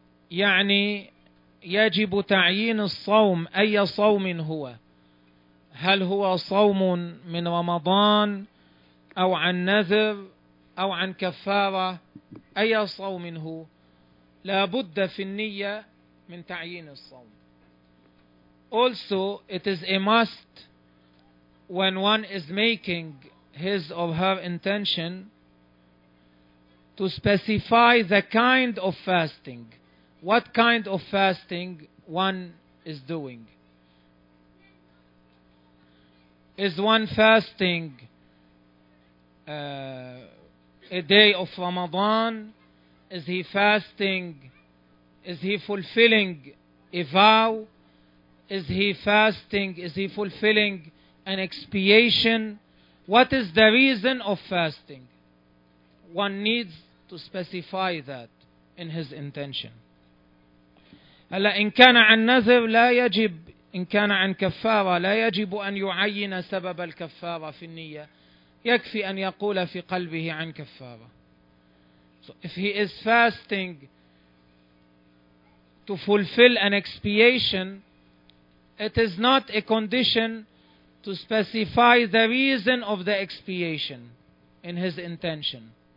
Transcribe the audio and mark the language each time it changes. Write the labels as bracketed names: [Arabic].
[Arabic] يعني يجب تعيين الصوم أي صوم هو, هل هو صوم من رمضان أو عن نذر أو عن كفارة, أي صوم هو لابد في النية من تعيين الصوم. [English] Also, it is a must when one is making his or her intention to specify the kind of fasting, what kind of fasting one is doing. Is one fasting a day of Ramadan? Is he fasting? Is he fulfilling a vow? Is he fasting? Is he fulfilling an expiation? What is the reason of fasting? One needs to specify that in his intention. [Arabic] هلا إن كان عن نذر لا يجب إن كان عن كفارة لا يجب أن يعين سبب الكفارة في النية يكفي أن يقول في قلبه عن كفارة. [English] So if he is fasting to fulfill an expiation, it is not a condition to specify the reason of the expiation in his intention.